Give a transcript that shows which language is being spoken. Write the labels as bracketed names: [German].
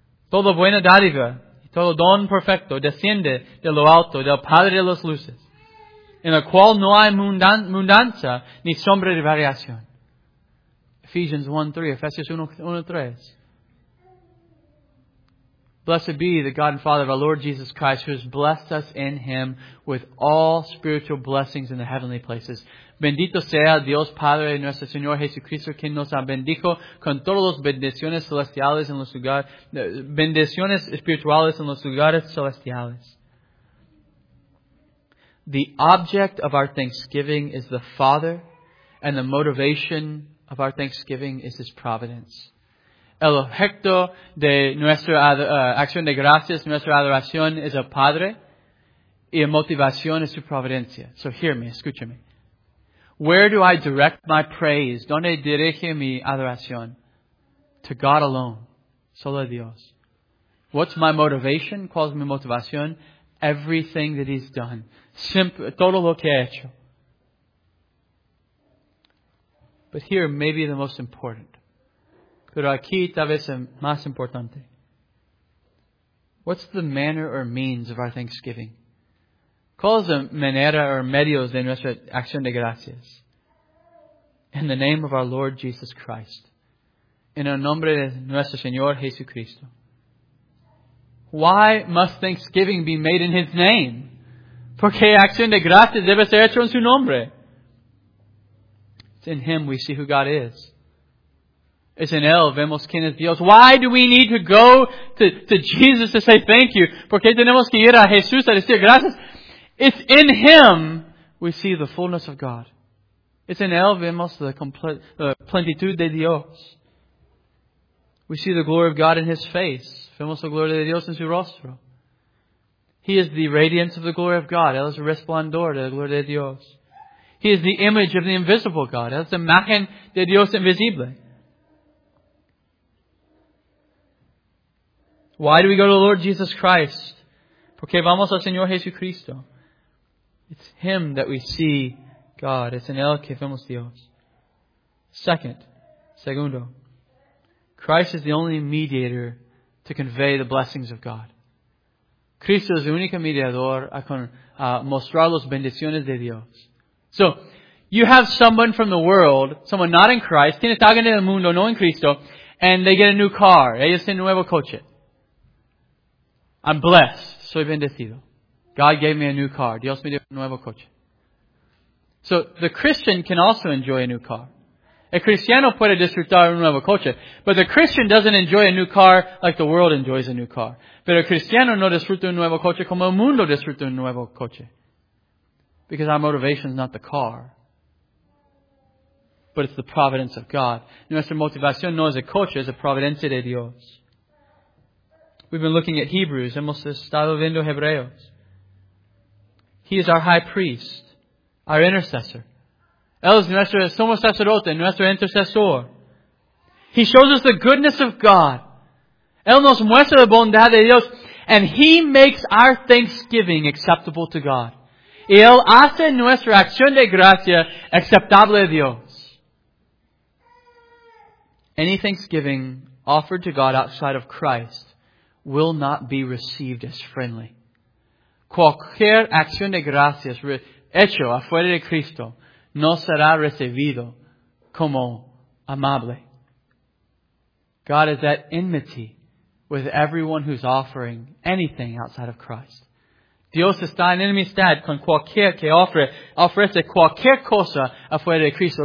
[Spanish] Todo buena dádiva, todo don perfecto, desciende de lo alto, del Padre de las luces, en el cual no hay mudanza ni sombra de variación. [English] Ephesians 1:3, Ephesians 1:3. Blessed be the God and Father of our Lord Jesus Christ, who has blessed us in Him with all spiritual blessings in the heavenly places. [Spanish] Bendito sea Dios Padre nuestro Señor Jesucristo, quien nos ha bendijo con todas las bendiciones celestiales en los lugares, bendiciones espirituales en los lugares celestiales. [English] The object of our thanksgiving is the Father, and the motivation of our thanksgiving is His providence. [Spanish] El objeto de nuestra acción de gracias, nuestra adoración, es el Padre, y la motivación es su providencia. [English] So hear me, [Spanish] escúchame. [English] Where do I direct my praise? [Spanish] ¿Dónde dirige mi adoración? [English] To God alone. [Spanish] Solo a Dios. [English] What's my motivation? [Spanish] ¿Cuál es mi motivación? [English] Everything that He's done. [Spanish] Todo lo que ha hecho. [English] But here, maybe the most important. [Spanish] Pero aquí, tal vez el más importante. [English] What's the manner or means of our thanksgiving? [Spanish] ¿Cuál es la manera o medios de nuestra acción de gracias? [English] In the name of our Lord Jesus Christ. [Spanish] En el nombre de nuestro Señor Jesucristo. [English] Why must thanksgiving be made in His name? [Spanish] Porque acción de gracias debe ser hecho en su nombre. [English] It's in Him we see who God is. It's in [Spanish] Él vemos quién es Dios. [English] Why do we need to go to Jesus to say thank you? [Spanish] Porque tenemos que ir a Jesús a decir gracias. [English] It's in Him we see the fullness of God. It's in [Spanish] Él vemos la plenitud de Dios. [English] We see the glory of God in His face. [Spanish] Vemos la gloria de Dios en su rostro. [English] He is the radiance of the glory of God. [Spanish] Él es el resplandor de la gloria de Dios. [English] He is the image of the invisible God. [Spanish] Él es la imagen de Dios invisible. [English] Why do we go to the Lord Jesus Christ? [Spanish] Porque vamos al Señor Jesucristo. [English] It's Him that we see God. It's in [Spanish] Él que vemos Dios. Segundo. [English] Christ is the only mediator to convey the blessings of God. [Spanish] Cristo es el único mediador a mostrar las bendiciones de Dios. [English] So, you have someone from the world, someone not in Christ, [Spanish] tienes alguien en el mundo, no en Cristo, [English] and they get a new car. [Spanish] Ellos tienen nuevo coche. [English] I'm blessed. [Spanish] Soy bendecido. [English] God gave me a new car. [Spanish] Dios me dio un nuevo coche. [English] So, the Christian can also enjoy a new car. [Spanish] El cristiano puede disfrutar un nuevo coche. [English] But the Christian doesn't enjoy a new car like the world enjoys a new car. [Spanish] Pero el cristiano no disfruta un nuevo coche como el mundo disfruta un nuevo coche. [English] Because our motivation is not the car. But it's the providence of God. [Spanish] Nuestra motivación no es el coche, es la providencia de Dios. [English] We've been looking at Hebrews. [Spanish] Hemos estado viendo Hebreos. [English] He is our high priest. Our intercessor. [Spanish] Él es nuestro sumo sacerdote, nuestro intercesor. [English] He shows us the goodness of God. [Spanish] Él nos muestra la bondad de Dios. [English] And He makes our thanksgiving acceptable to God. [Spanish] Y Él hace nuestra acción de gracia acceptable a Dios. [English] Any thanksgiving offered to God outside of Christ will not be received as friendly. [Spanish] Cualquier acción de gracias hecho afuera de Cristo no será recibido como amable. [English] God is at enmity with everyone who's offering anything outside of Christ. [Spanish] Dios está en enemistad con cualquier que ofrece cualquier cosa afuera de Cristo.